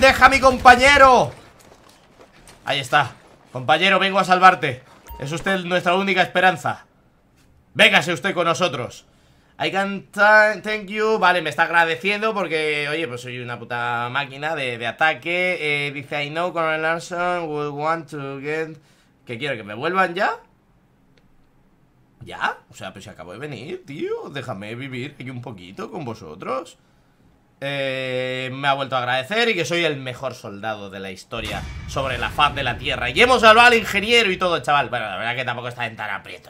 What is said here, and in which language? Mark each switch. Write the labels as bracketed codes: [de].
[es] ¡Deja a mi compañero! Ahí está. Compañero, vengo a salvarte. Es usted nuestra única esperanza. Véngase usted con nosotros. [en] I can thank you. [es] Vale, me está agradeciendo porque, oye, pues soy una puta máquina de ataque. Dice, [en] I know Colonel Larson would want to get... [es] ¿Qué quiero? ¿Que me vuelvan ya? ¿Ya? O sea, pues si acabo de venir, tío. Déjame vivir aquí un poquito con vosotros. Me ha vuelto a agradecer y que soy el mejor soldado de la historia sobre la faz de la Tierra. Y hemos salvado al ingeniero y todo, chaval. Bueno, la verdad que tampoco estaba en tan aprieto.